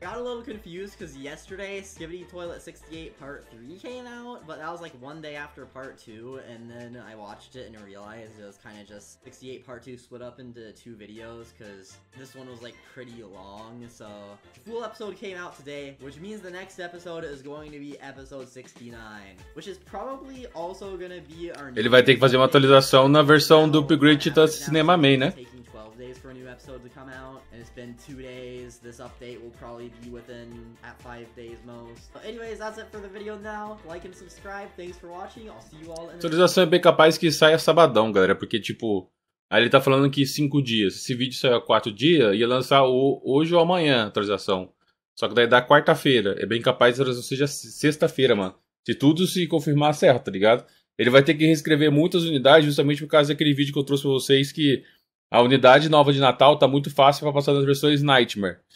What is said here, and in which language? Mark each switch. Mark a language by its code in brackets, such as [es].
[en] I got a little confused because yesterday, Skibbity Toilet 68 Part 3 came out, but that was like one day after Part 2, and then I watched it and realized it was kind of just 68 Part 2 split up into two videos because this one was like pretty long. So the full episode came out today, which means the next episode is going to be episode 69, which is probably also gonna be our [pt] new. Ele vai ter que fazer uma atualização na versão do upgrade do Cinema Main, né? [en] Days for a new episode to come out, and it's been 2 days. This update will probably be within at 5 days most. But anyways, that's it for the video now. Like and subscribe. Thanks for watching. I'll see you all in the [pt] atualização é bem capaz que saia sabadão, galera, porque tipo, aí ele tá falando que 5 dias. Esse vídeo saiu 4 dias, ia lançar hoje ou amanhã a atualização. Só que daí dá quarta-feira. É bem capaz que seja sexta-feira, mano. Se tudo se confirmar certo, tá ligado? Ele vai ter que reescrever muitas unidades justamente por causa daquele vídeo que eu trouxe pra vocês que a unidade nova de Natal tá muito fácil pra passar das versões Nightmare.